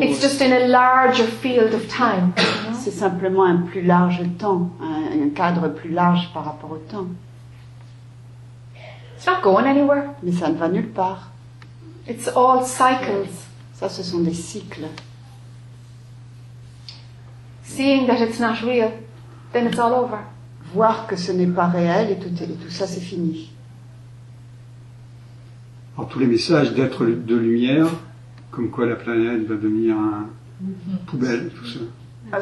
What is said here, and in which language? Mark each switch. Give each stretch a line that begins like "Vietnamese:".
English: It's just in a larger field of time.
French: C'est simplement un plus large temps, un cadre plus large par rapport au temps.
English: It's not going anywhere.
French: Mais ça ne va nulle part.
English: It's all cycles.
French: Ça, ce sont des cycles.
English: Seeing that it's not real, then it's all over.
French: Voir que ce n'est pas réel et tout ça, c'est fini. Alors, tous les messages d'être de lumière, comme quoi la planète va devenir une poubelle, tout ça.